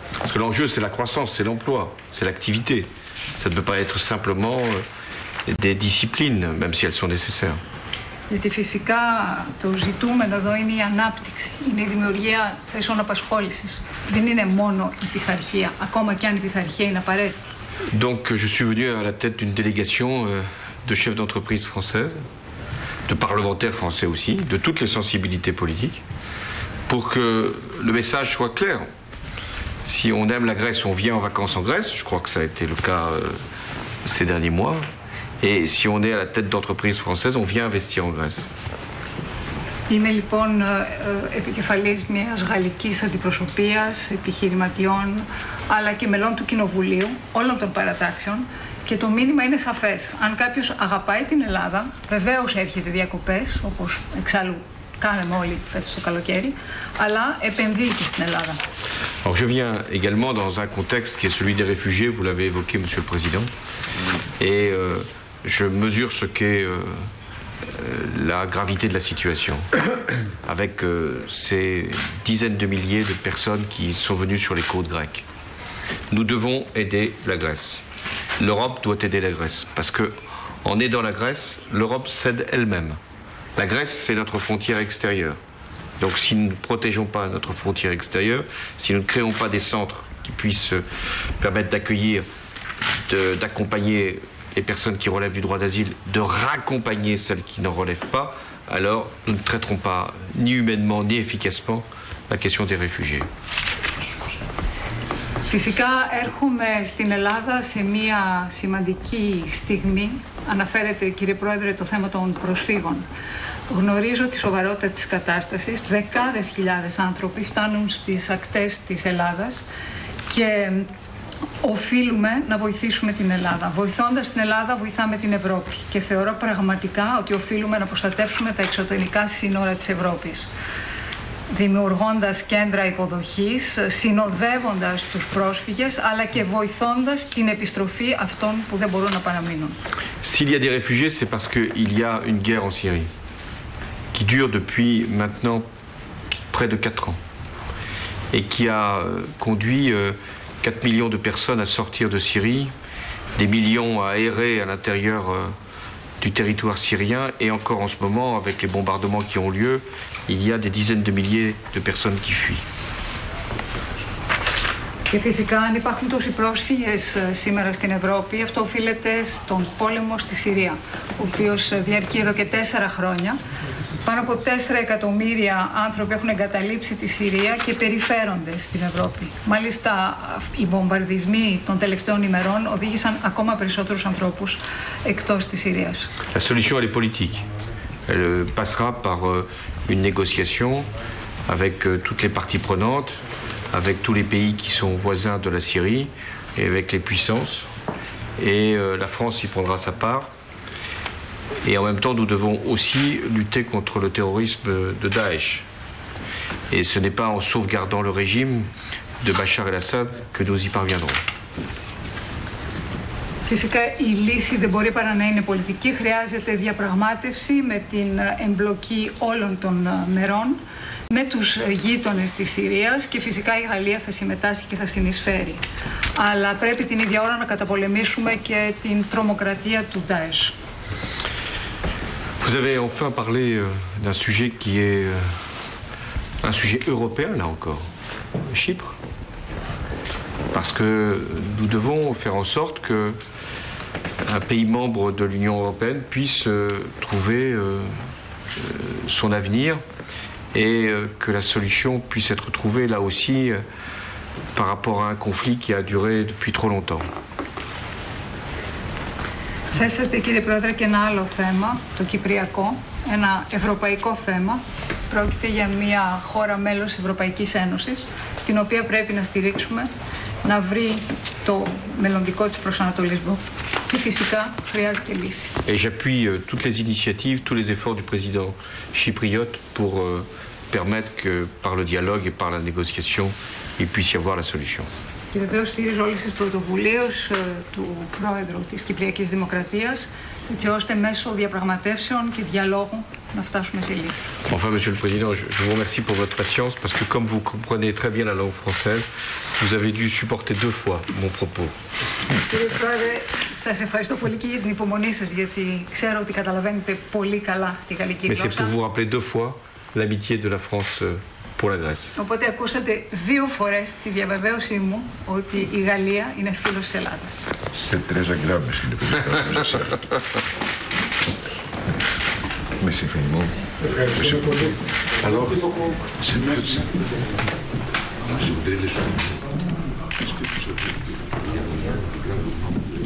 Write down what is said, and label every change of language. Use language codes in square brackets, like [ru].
[fr] Parce que l'enjeu, c'est la croissance, c'est l'emploi, c'est l'activité. Ça ne peut pas être simplement des disciplines, même si elles sont nécessaires. [el] Γιατί φυσικά το ζητούμενο εδώ είναι η ανάπτυξη, είναι η δημιουργία θέσεων απασχόλησης. Δεν είναι μόνο η πειθαρχία, ακόμα και αν η πειθαρχία είναι απαραίτητη. [fr] Donc, je suis venu à la tête d'une délégation de chefs d'entreprise françaises, de parlementaires français aussi, de toutes les sensibilités politiques, pour que le message soit clair. Si on aime la Grèce, on vient en vacances en Grèce. Je crois que ça a été le cas ces derniers mois. Et si on est à la tête d'entreprise française, on vient investir en Grèce. [el] Είμαι λοιπόν επικεφαλής μιας γαλλικής αντιπροσωπείας, επιχειρηματιών, αλλά και μελών του Κοινοβουλίου, όλων των παρατάξεων. Και το μήνυμα είναι σαφές. Αν κάποιος αγαπάει την Ελλάδα, βεβαίως έρχεται διακοπές, όπως εξάλλου κάναμε όλοι φέτος το καλοκαίρι, αλλά επενδύει και στην Ελλάδα. [fr] Alors, je viens également dans un contexte qui est celui des réfugiés, vous l'avez évoqué, monsieur le président, et je mesure ce qu'est... la gravité de la situation, avec ces dizaines de milliers de personnes qui sont venues sur les côtes grecques. Nous devons aider la Grèce. L'Europe doit aider la Grèce, parce que en aidant la Grèce, l'Europe cède elle-même. La Grèce, c'est notre frontière extérieure. Donc si nous ne protégeons pas notre frontière extérieure, si nous ne créons pas des centres qui puissent permettre d'accueillir, d'accompagner les personnes qui relèvent du droit d'asile, de raccompagner celles qui n'en relèvent pas, alors nous ne traiterons pas ni humainement ni efficacement la question des réfugiés. [el] Φυσικά έρχομαι στην Ελλάδα σε μια σημαντική στιγμή. Αναφέρεται, κύριε Πρόεδρε, το θέμα των προσφύγων. Γνωρίζω τη σοβαρότητα της κατάστασης. Δεκάδες χιλιάδες άνθρωποι φτάνουν στις ακτές της Ελλάδας και οφείλουμε να βοηθήσουμε την Ελλάδα. Βοηθώντας την Ελλάδα, βοηθάμε την Ευρώπη. Και θεωρώ πραγματικά ότι οφείλουμε να προστατεύσουμε τα εξωτερικά σύνορα της Ευρώπης, δημιουργώντας κέντρα υποδοχής, συνοδεύοντας τους πρόσφυγες, αλλά και βοηθώντας την επιστροφή αυτών που δεν μπορούν να παραμείνουν. [fr] S'il y a des réfugiés, c'est parce qu'il y a une guerre en Syrie, qui dure depuis maintenant près de 4 ans, et qui a conduit 4 millions de personnes à sortir de Syrie, des millions à errer à l'intérieur du territoire syrien, et encore en ce moment, avec les bombardements qui ont lieu, il y a des dizaines de milliers de personnes qui fuient. [el] Και φυσικά, αν υπάρχουν τόσοι πρόσφυγες σήμερα στην Ευρώπη, αυτό οφείλεται στον πόλεμο στη Συρία, ο οποίος διαρκεί εδώ και 4 χρόνια. Πάνω από 4 εκατομμύρια άνθρωποι έχουν εγκαταλείψει τη Συρία και περιφέρονται στην Ευρώπη. Μάλιστα, οι βομβαρδισμοί των τελευταίων ημερών οδήγησαν ακόμα περισσότερους ανθρώπους εκτός της Συρίας. [fr] La solution est politique. Elle passera par une négociation avec toutes les parties prenantes, avec tous les pays qui sont voisins de la Syrie et avec les puissances. Et la France y prendra sa part. Et en même temps, nous devons aussi lutter contre le terrorisme de Daesh. Et ce n'est pas en sauvegardant le régime de Bachar el-Assad que nous y parviendrons. [el] Φυσικά η λύση δεν μπορεί παρά να είναι πολιτική. Χρειάζεται διαπραγμάτευση με την εμπλοκή όλων των μερών, με τους γείτονες της Συρίας και φυσικά η Γαλλία θα συμμετάσχει και θα συνεισφέρει. Αλλά πρέπει την ίδια ώρα να καταπολεμήσουμε και την τρομοκρατία του Daesh. [fr] Vous avez enfin parlé d'un sujet qui est un sujet européen là encore, Chypre. Parce que nous devons faire en sorte que un pays membre de l'Union européenne puisse trouver son avenir et que la solution puisse être trouvée là aussi par rapport à un conflit qui a duré depuis trop longtemps. [el] Θέσατε, κύριε Πρόεδρε, και ένα άλλο θέμα, το Κυπριακό, ένα ευρωπαϊκό θέμα. Πρόκειται για μια χώρα μέλος Ευρωπαϊκής Ένωσης, την οποία πρέπει να στηρίξουμε, να βρει το μελλοντικό της προσανατολισμού. Και φυσικά χρειάζεται λύση. [fr] Et j'appuie toutes les initiatives, tous les efforts du président chypriote pour permettre que par le dialogue et par la négociation, il puisse y avoir la solution. [el] Και βεβαίως στήριζε όλες τις πρωτοβουλίες του Πρόεδρου της Κυπριακής Δημοκρατίας, έτσι ώστε μέσω διαπραγματεύσεων και διαλόγου να φτάσουμε σε λύση. [fr] Enfin, Monsieur le Président, je vous remercie pour votre patience, parce que comme vous comprenez très bien la langue française, vous avez dû supporter deux fois mon propos. [el] Κύριε Πρόεδρε, σας ευχαριστώ πολύ και για την υπομονή σας, γιατί ξέρω ότι καταλαβαίνετε πολύ καλά τη γαλλική γλώσσα. [fr] Mais c'est pour vous rappeler deux fois l'amitié de la France pour la Grèce. [el] Οπότε ακούσατε δύο φορές τη διαβεβαίωσή μου ότι η Γαλλία είναι φίλος της Ελλάδας. Σε τρεις αγκράμες, κύριε Πρόεδρε. Με συμφωνεί μου. Ευχαριστώ πολύ. Καλό. Σε τρεις αγκράμες. Σε τρεις αγκράμες.